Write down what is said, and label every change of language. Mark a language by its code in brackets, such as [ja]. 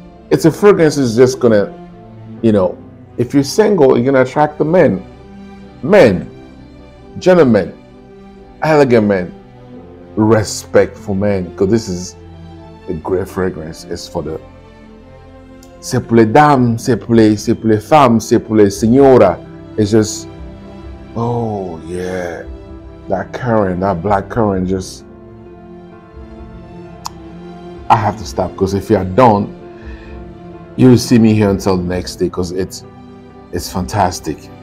[en] It's a fragrance that's just gonna, you know, if you're single, you're gonna attract the men, gentlemen, elegant men, respectful men, because this is a great fragrance. It's for the, [fr] c'est pour les dames, c'est pour les femmes, c'est pour les señoras. [en] It's just, oh yeah, that currant, that black currant, just, I have to stop, because if you don't, you'll see me here until the next day, because it's fantastic.